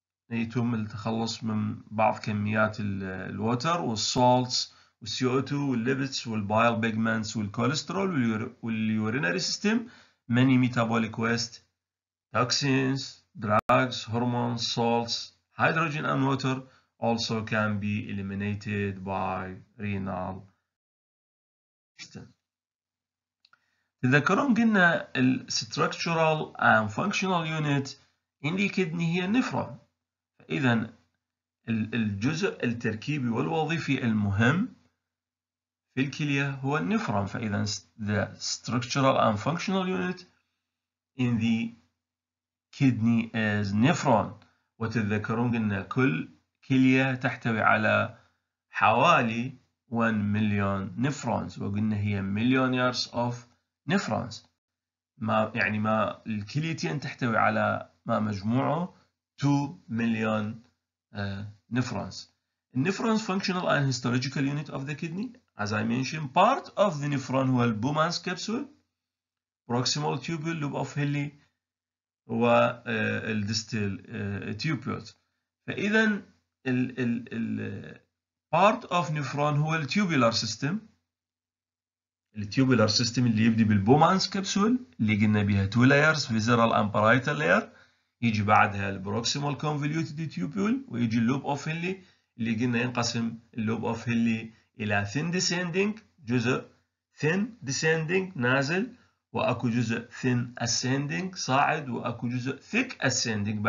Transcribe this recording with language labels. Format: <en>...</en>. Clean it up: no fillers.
<ar>يتم التخلص من بعض كميات</ar> <en>الووتر والسولتس والسي او 2 والليبتس والبايل بيجمنتس والكوليسترول واليورينري system, many metabolic waste, toxins, drugs, hormones, salts, hydrogen and water also can be eliminated by renal system.</en> <ar>تذكرون قلنا الـ</ar> <en>structural and functional unit in the kidney</en> <ar>هي النفرون. فإذا الجزء التركيبي والوظيفي المهم في الكلية هو النفرون. فإذا</ar> <en>the structural and functional unit in the kidney is nephron.</en> <ar>وتذكرون قلنا كل كلية تحتوي على حوالي 1 مليون نفرونز، وقلنا هي مليون</ar> <en>years of</en> <ar>نفرونز، ما يعني ما الكليتين تحتوي على ما مجموعه 2 مليون نفرونز.</ar> <en>النفرونز functional and histological unit of the kidney as I mentioned. Part of the nephron</en> <ar>هو</ar> <en>البومانس capsule, proximal tubule، loop of Henle، و الديستال tubules.</en> <ar>فإذا ال part of nephron هو التوبولار سيستم، التوبولار سيستم اللي يبدي بالبومانس كبسول اللي قلنا بها 2 لايرز فيزيرال اند بارايتال لاير، يجي بعدها البروكسيمال كونفوليوتد تيوبول، ويجي اللوب اوف هنلي اللي قلنا ينقسم اللوب اوف هنلي الى ثين ديسندنج، جزء ثين ديسندنج نازل، واكو جزء ثين اسندنج صاعد، واكو جزء ثيك اسندنج.</ar>